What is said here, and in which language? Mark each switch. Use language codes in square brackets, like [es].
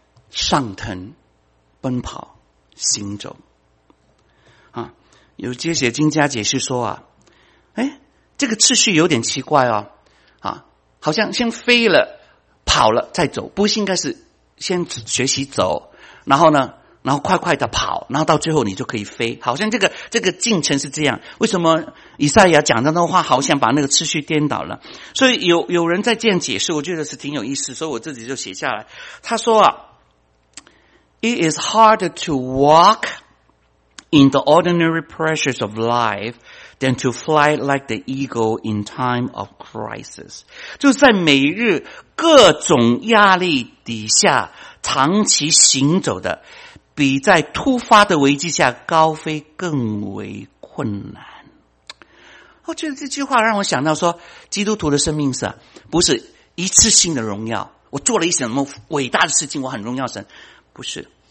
[zh] 上腾奔跑行走啊，有些解经家解释说啊，诶，这个次序有点奇怪哦，啊，好像先飞了跑了再走，不应该是先学习走，然后呢然后快快的跑，然后到最后你就可以飞，好像这个进程是这样。为什么以赛亚讲的那话好像把那个次序颠倒了？所以有人在这样解释，我觉得是挺有意思，所以我自己就写下来。他说啊， [en] It is harder to walk in the ordinary pressures of life than to fly like the eagle in time of crisis. [zh] 就是在每日各种压力底下长期行走的，比在突发的危机下高飞更为困难。我觉得这句话让我想到说，基督徒的生命是不是一次性的荣耀，我做了一些什么伟大的事情，我很荣耀神，不是。